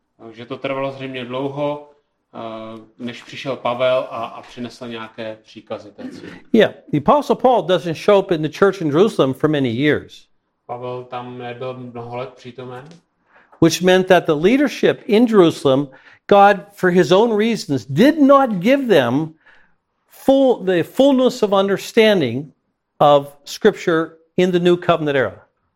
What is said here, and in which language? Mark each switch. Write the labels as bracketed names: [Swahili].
[Czech] Že to trvalo zřejmě dlouho, než přišel Pavel a přinesl nějaké příkazy té církvi. [English] Yeah, the apostle Paul doesn't show up in the church in Jerusalem for many years. [Czech] Pavel tam nebyl mnoho let přítomen. [English] Which meant that the leadership in Jerusalem, God for his own reasons did not give them the fullness of understanding of scripture in the new covenant era.